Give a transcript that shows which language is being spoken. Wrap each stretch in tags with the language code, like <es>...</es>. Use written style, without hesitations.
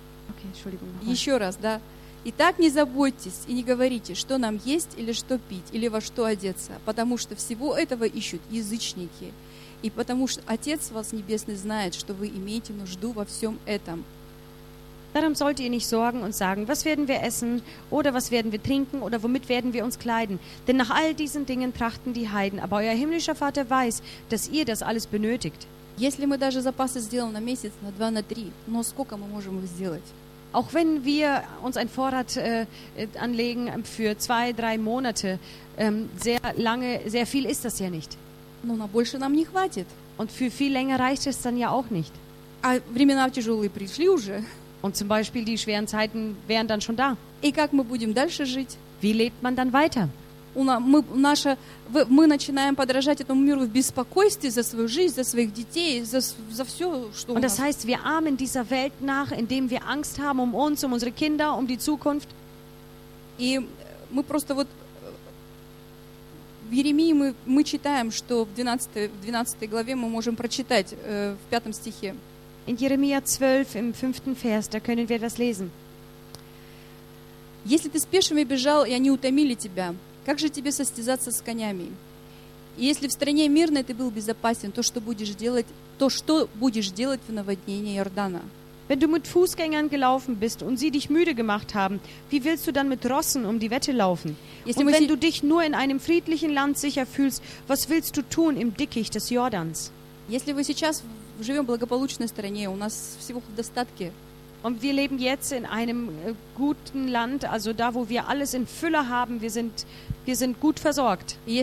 <de>Okay, Entschuldigung.</de> <ru>Еще раз, да. Итак, не заботьтесь и не говорите, что нам есть или что пить, или во что одеться, потому что всего этого ищут язычники, и потому что Отец вас Небесный знает, что вы имеете нужду во всем этом.</ru> <de>Darum sollt ihr nicht sorgen und sagen, was werden wir essen, oder was werden wir trinken, oder womit werden wir uns kleiden? Denn nach all diesen Dingen trachten die Heiden, aber euer himmlischer Vater weiß, dass ihr das alles benötigt.</de> <ru>Если мы даже запасы сделаем на месяц, на два, на три, но сколько мы можем их сделать?</ru> <de>Auch wenn wir uns einen Vorrat anlegen für 2-3 Monate, sehr lange, sehr viel ist das ja nicht.</de> <ru>Но на больше нам не хватит.</ru> <de>Und für viel länger reicht es dann ja auch nicht.</de> <ru>А времена тяжелые пришли уже.</ru> <de>Und zum Beispiel die schweren Zeiten wären dann schon da.</de> <ru>И как мы будем дальше жить?</ru> <de>Wie lebt man dann weiter?</de> <ru>Мы начинаем подражать этому миру в беспокойстве за свою жизнь, за своих детей, за все, что у нас.</ru> <de>Und das heißt, wir ahmen dieser Welt nach, indem wir Angst haben um uns, um unsere Kinder, um die Zukunft.</de> <ru>И мы просто вот в Иеремии мы читаем, что в 12 главе мы можем прочитать в 5 стихе.</ru> <de>In Jeremia 12, im 5. Vers, da können wir das lesen.</de> <ru>Если ты спешим и бежал, и они утомили тебя, как же тебе состязаться с конями? И если в стране мирной ты был безопасен, то что будешь делать в наводнении Иордана?</ru> <de>Wenn du mit Fußgängern gelaufen bist und sie dich müde gemacht haben, wie willst du dann mit Rossen um die Wette laufen?</de> <ru>Если</ru> <de>und wenn du dich nur in einem friedlichen Land sicher fühlst, was willst du tun im Dickicht des Jordans?</de> <ru>Если мы сейчас живем в благополучной стране, у нас всего в достатке.</ru> <de>Und wir leben jetzt in einem guten Land, also da, wo wir alles in Fülle haben, wir sind gut versorgt.</de>